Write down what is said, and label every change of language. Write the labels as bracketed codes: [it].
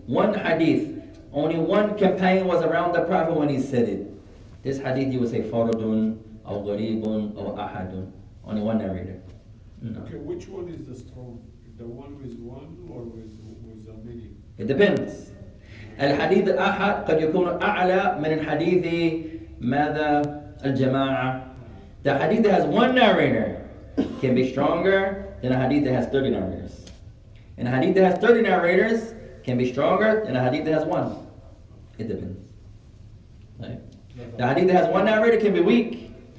[en] One hadith, only one companion was around the Prophet when he said it. This hadith, you would say Faradun or Gharibun or Ahadun. Only one narrator. No. Okay, which one is the strong? The one with one or with a many? It depends. [ar] الحديث الأحد قد يكون أعلى من الحديث ماذا الجماعة. [en] The hadith that has one narrator can be stronger than a hadith that has 30 narrators. And a hadith that has 30 narrators can be stronger than a hadith that has one. It depends. Right? The hadith that has one narrator can be weak.